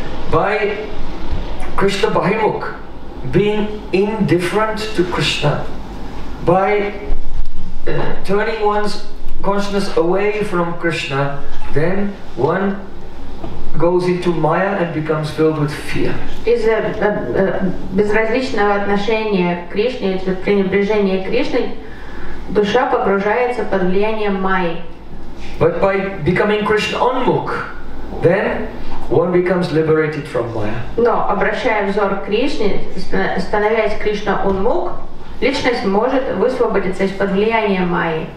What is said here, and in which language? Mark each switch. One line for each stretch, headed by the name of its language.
English: By Krishna Bahimukh, being indifferent to Krishna, by turning one's consciousness away from Krishna, then one goes into Maya and becomes filled with fear.
Russian: Из безразличного отношения к Кришне, из пренебрежения к Кришне, душа погружается под влиянием Майи.
English: But by becoming Krishna Onmukh, then one becomes liberated from Maya.
Russian: Но обращая взор к Кришне, становясь Кришна Унмук, личность может высвободиться из-под влияния Майи.